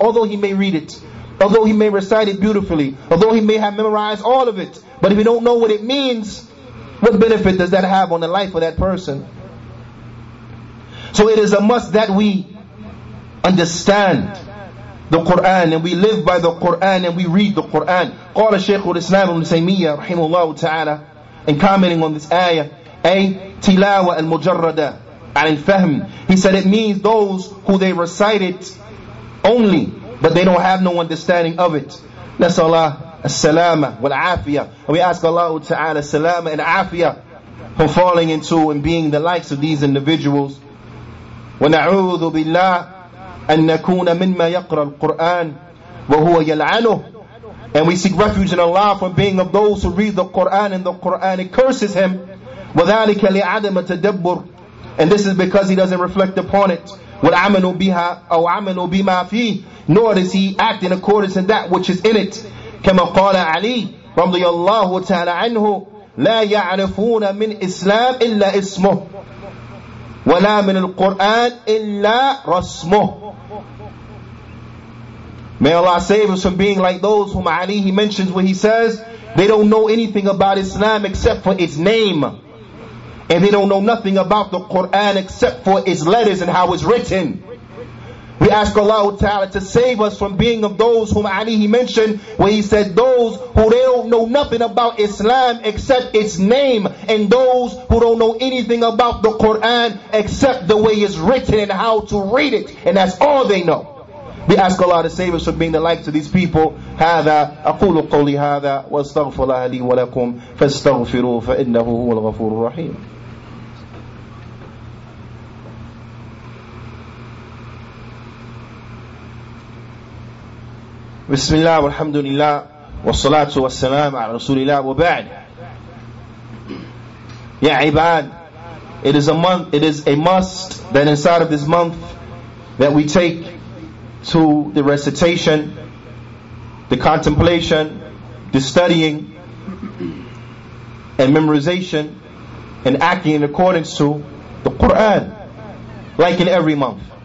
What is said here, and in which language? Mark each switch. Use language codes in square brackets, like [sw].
[en] Although he may read it, although he may recite it beautifully, although he may have memorized all of it, but if he don't know what it means, what benefit does that have on the life of that person? So it is a must that we understand the Quran and we live by the Quran and we read the Quran. [ar] قال الشيخ الإسلام ابن تيمية رحمه الله تعالى [en] in commenting on this ayah, [ar] أي تلاوة المجردة عن الفهم. [en] He said it means those who they recite it only, but they don't have no understanding of it. [ar] نسأل الله السلامة والعافية. [en] And we ask Allah تعالى السلامة and عافية from falling into and being the likes of these individuals. [ar] ونعوذ بالله أن نكون مما يقرأ القرآن وهو يلعنه. [en] And we seek refuge in Allah from being of those who read the Quran and the Quran it curses him. [ar] وذلك لعدم التدبر. [en] And this is because he doesn't reflect upon it. [ar] والعمل بها أو عمل بما فيه. [en] Nor does he act in accordance with that which is in it. [ar] كما قال علي رضي الله تعالى عنه لا يعرفون من إسلام إلا اسمه ولا من القرآن إلا رسمه. [en] May Allah save us from being like those whom Ali he mentions where he says, They don't know anything about Islam except for its name. And they don't know nothing about the Quran except for its letters and how it's written. We ask Allah Ta'ala to save us from being of those whom Ali he mentioned, where he said those who they don't know nothing about Islam except its name, and those who don't know anything about the Quran except the way it's written and how to read it, and that's all they know. We ask Allah to save us from being the like to these people. [ar] هذا أقول قولي هذا واستغفر الله لي ولكم فاستغفروا فإنه هو الغفور الرحيم. بسم الله والحمد لله والصلاة والسلام على رسول الله وبعد. يا عباد, [en] it is a month, it is a must that inside of this month that we take to the recitation, the contemplation, the studying and memorization and acting in accordance to the Quran, like in every month.